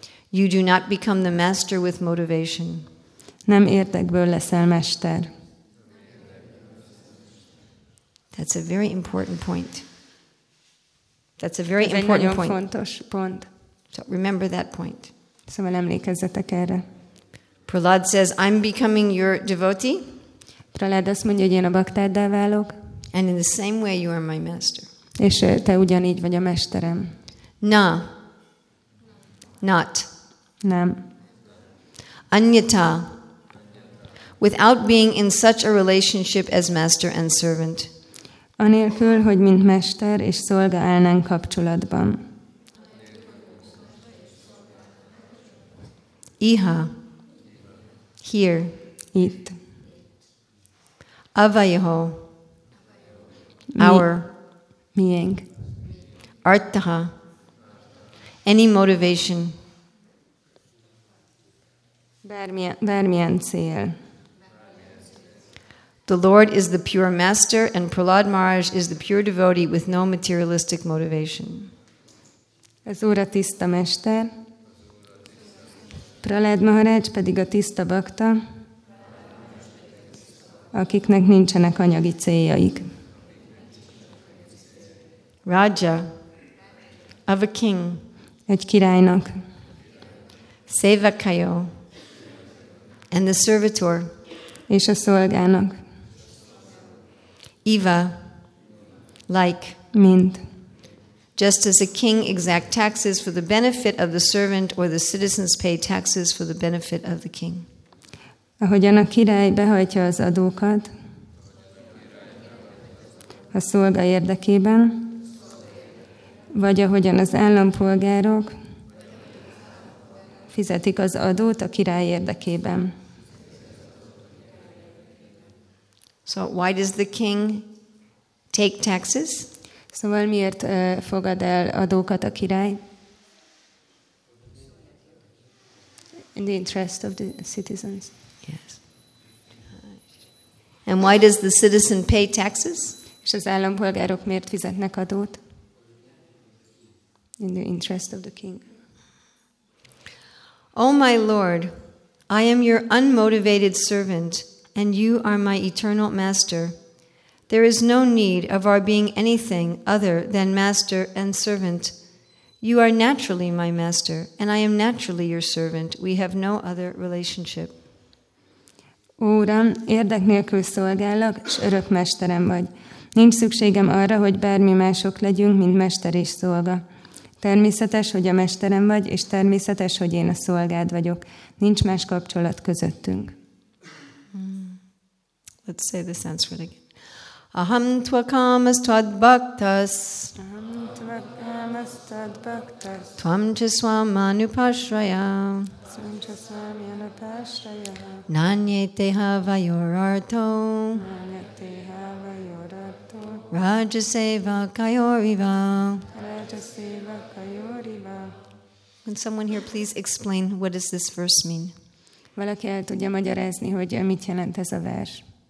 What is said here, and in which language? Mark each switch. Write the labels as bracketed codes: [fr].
[en] You do not become the master with motivation. [hu] Nem érdekből leszel mester. [en] That's a very important point. That's a very important point. So remember that point. [hu] Szóval emlékezzetek erre. [en] Prahlad says, I'm becoming your devotee. [hu] Prahlad azt mondja, hogy én a baktáddá válok. [en] And in the same way you are my master. [hu] És te ugyanígy vagy a mesterem. [en] Na. Not. [hu] Nem. [sa] Anyata. [en] Without being in such a relationship as master and servant. [hu] Anélkül, hogy mint mester és szolga állnánk kapcsolatban. [en] Iha. Here. [hu] Itt. [en] Avayaho. Our. [hu] Miénk. [en] Artaha. Any motivation. [hu] Bármilyen cél. [en] The Lord is the pure master and Prahlad Maharaj is the pure devotee with no materialistic motivation. [hu] Az Úr a tiszta mester, Prahlad Maharaj pedig a tiszta bakta, akiknek nincsenek anyagi céljaik. [en] Raja of a king. [hu] Egy királynak. [en] Sevakayo. And the servitor. [hu] És a szolgának. [en] Iva. Like. [hu] Mint. [en] Just as a king exact taxes for the benefit of the servant or the citizens pay taxes for the benefit of the king. [hu] Ahogyan a király behajtja az adókat a szolga érdekében, vagy ahogyan az állampolgárok fizetik az adót a király érdekében. [en] So why does the king take taxes? [hu] Szóval miért fogad el adókat a király? [en] In the interest of the citizens. Yes. And why does the citizen pay taxes? [hu] És az állampolgárok miért fizetnek adót? [en] In the interest of the king. Oh my Lord, I am your unmotivated servant, and you are my eternal master. There is no need of our being anything other than master and servant. You are naturally my master, and I am naturally your servant. We have no other relationship. [hu] Uram, érdek nélkül szolgálok, s örök mesterem vagy. Nincs szükségem arra, hogy bármi mások legyünk, mint mester és szolga. Természetes, hogy a mesterem vagy, és természetes, hogy én a szolgád vagyok. Nincs más kapcsolat közöttünk. [en] Let's say the Sanskrit again. [sa] Aham tva kamas tvad bhaktas. Aham tva kamas tvad bhaktas. Tvam cha svam anupashraya. Svam cha svam anupashraya. Nanyete havayor arto. Nanyete havayor arto. Rajaseva kayoriva. Rajaseva kayoriva. [en] Can someone here please explain what does this verse mean? [hu] Valaki el tudja magyarázni, hogy mit jelent ez a vers?